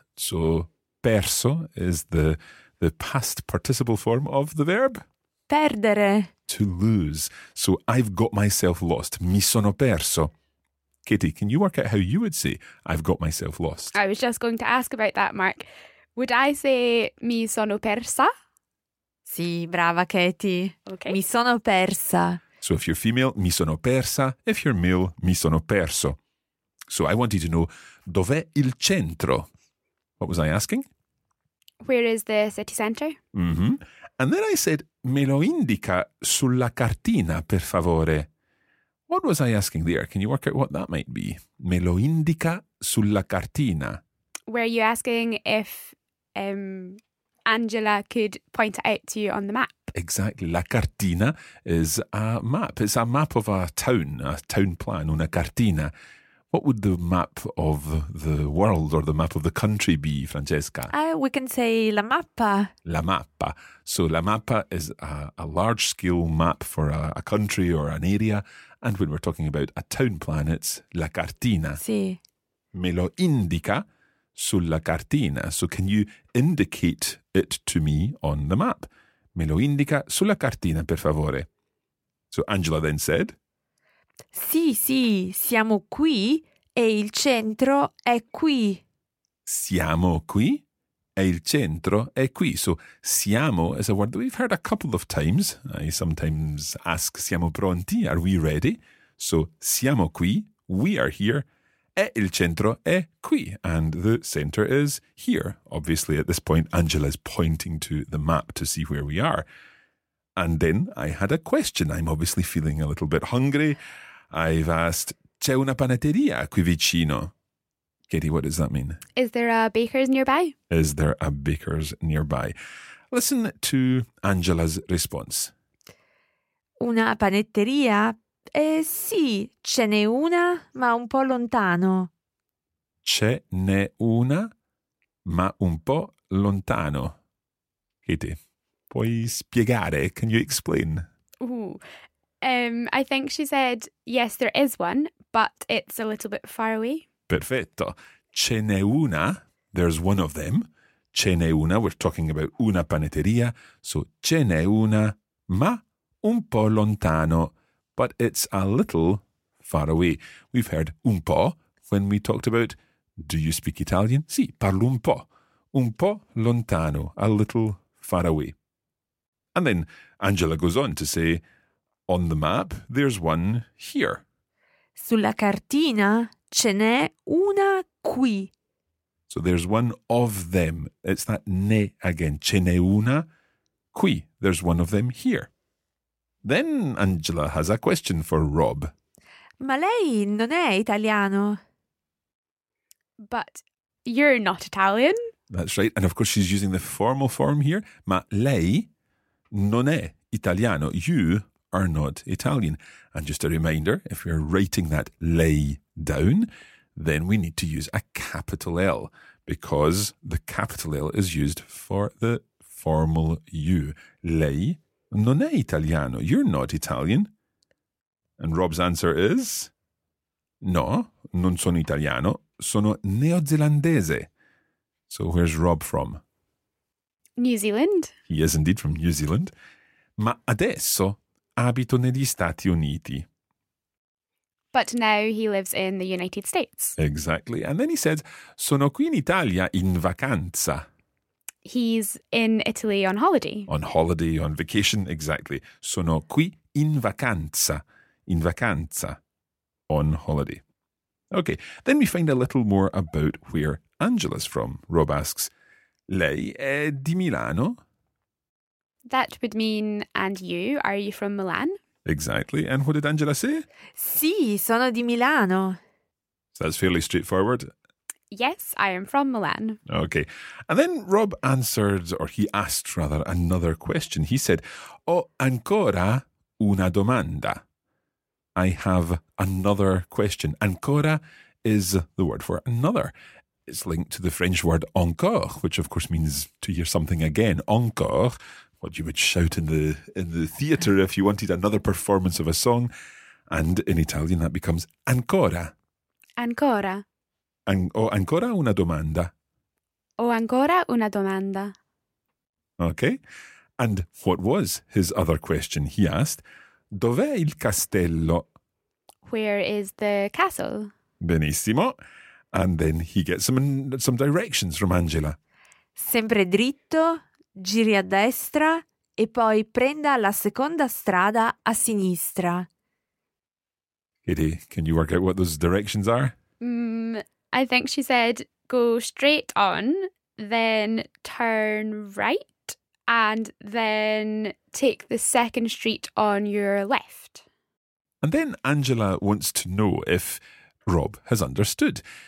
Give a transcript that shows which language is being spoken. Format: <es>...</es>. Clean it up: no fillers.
<en>So perso is the past participle form of the verb.</en> <it>Perdere.</it> <en>To lose. So I've got myself lost.</en> <it>Mi sono perso.</it> <en>Katie, can you work out how you would say I've got myself lost? I was just going to ask about that, Mark. Would I say</en> <it>mi sono persa? Sì, brava Katie. Okay. Mi sono persa.</it> <en>So if you're female,</en> <it>mi sono persa.</it> <en>If you're male,</en> <it>mi sono perso.</it> <en>So I wanted to know,</en> <it>dov'è il centro?</it> <en>What was I asking? Where is the city centre? Mm-hmm. And then I said,</en> <it>me lo indica sulla cartina, per favore.</it> <en>What was I asking there? Can you work out what that might be?</en> <it>Me lo indica sulla cartina.</it> <en>Were you asking if Angela could point it out to you on the map? Exactly. La cartina is a map. It's a map of a town plan, una cartina. What would the map of the world or the map of the country be, Francesca? We can say la mappa. La mappa. So la mappa is a large-scale map for a country or an area. And when we're talking about a town plan, it's la cartina.</en> <it>Sì. Me lo indica sulla cartina.</it> <en>So can you indicate it to me on the map?</en> <it>Me lo indica sulla cartina, per favore.</it> <en>So Angela then said...</en> <it>Sì, sì, siamo qui e il centro è qui. Siamo qui e il centro è qui.</it> <en>So, siamo is a word that we've heard a couple of times. I sometimes ask,</en> <it>siamo pronti?</it> <en>Are we ready?</en> <it>So, siamo qui,</it> <en>we are here,</en> <it>e il centro è qui.</it> <en>And the center is here. Obviously, at this point, Angela is pointing to the map to see where we are. And then I had a question. I'm obviously feeling a little bit hungry. I've asked,</en> <it>c'è una panetteria qui vicino?</it> <en>Katie, what does that mean? Is there a baker's nearby? Is there a baker's nearby? Listen to Angela's response.</en> <it>Una panetteria? Sì, ce n'è una, ma un po' lontano. Ce n'è una, ma un po' lontano. Katie, puoi spiegare?</it> <en>Can you explain? Ooh. I think she said, yes, there is one, but it's a little bit far away.</en> <it>Perfetto. Ce n'è una,</it> <en>there's one of them. Ce n'è una, we're talking about una panetteria. So,</en> <it>ce n'è una, ma un po' lontano,</it> <en>but it's a little far away. We've heard un po' when we talked about, do you speak Italian?</en> <it>Sì, parlo un po'. Un po' lontano,</it> <en>a little far away. And then Angela goes on to say, on the map, there's one here.</en> <it>Sulla cartina ce n'è una qui.</it> <en>So there's one of them. It's that ne again.</en> <it>Ce n'è una qui.</it> <en>There's one of them here. Then Angela has a question for Rob.</en> <it>Ma lei non è italiano.</it> <en>But you're not Italian. That's right. And of course she's using the formal form here.</en> <it>Ma lei non è italiano.</it> <en>You are not Italian. And just a reminder, if we're writing that lei down, then we need to use a capital L because the capital L is used for the formal you.</en> <it>Lei non è italiano.</it> <en>You're not Italian. And Rob's answer is,</en> <it>no, non sono italiano. Sono neozelandese.</it> <en>So where's Rob from? New Zealand. He is indeed from New Zealand.</en> <it>Ma adesso abito negli Stati Uniti.</it> <en>But now he lives in the United States. Exactly. And then he says,</en> <it>sono qui in Italia in vacanza.</it> <en>He's in Italy on holiday. On holiday, on vacation, exactly.</en> <it>Sono qui in vacanza. In vacanza.</it> <en>On holiday.</en> <it>Okay.</it> <en>Then we find a little more about where Angela's from. Rob asks,</en> <it>lei è di Milano?</it> <en>That would mean, and you, are you from Milan? Exactly. And what did Angela say?</en> <it>Sì, sono di Milano.</it> <en>So that's fairly straightforward. Yes, I am from Milan. Okay. And then Rob answered, or he asked rather, another question. He said,</en> <it>ho ancora una domanda.</it> <en>I have another question. Ancora is the word for another. It's linked to the French word encore, which of course means to hear something again. Encore, what you would shout in the theatre if you wanted another performance of a song. And in Italian, that becomes ancora.</en> <it>Ancora. Ancora una domanda. O ancora una domanda.</it> <en>Okay. And what was his other question?</en> <it>He asked, dov'è il castello?</it> <en>Where is the castle?</en> <it>Benissimo.</it> <en>And then he gets some directions from Angela.</en> <it>Sempre dritto, giri a destra e poi prenda la seconda strada a sinistra.</it> <en>Katie, can you work out what those directions are? I think she said go straight on, then turn right, and then take the second street on your left. And then Angela wants to know if Rob has understood.</en>